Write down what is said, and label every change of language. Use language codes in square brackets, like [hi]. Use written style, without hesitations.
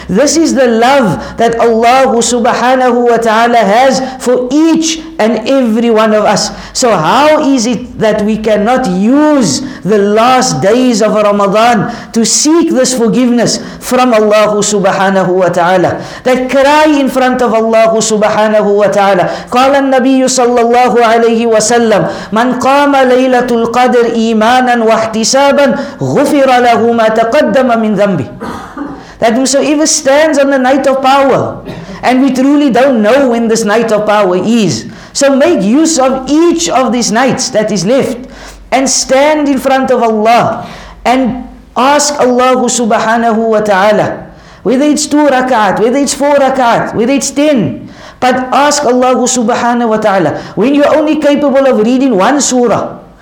[en] This is the love that Allah subhanahu wa ta'ala has for each and every one of us. So how is it that we cannot use the last days of Ramadan to seek this forgiveness from Allah subhanahu wa ta'ala? That cry in front of Allah subhanahu wa ta'ala. [ar] قال النبي صلى الله عليه وسلم من قام ليلة القدر إيمانا واحتسابا غفر له ما تقدم من ذنبه. [en] That whosoever stands on the night of power, and we truly don't know when this night of power is, so make use of each of these nights that is left and stand in front of Allah and ask Allah subhanahu wa ta'ala, whether it's 2 rak'at, whether it's 4 rak'at, whether it's 10, but ask Allah subhanahu wa ta'ala. When you're only capable of reading one surah,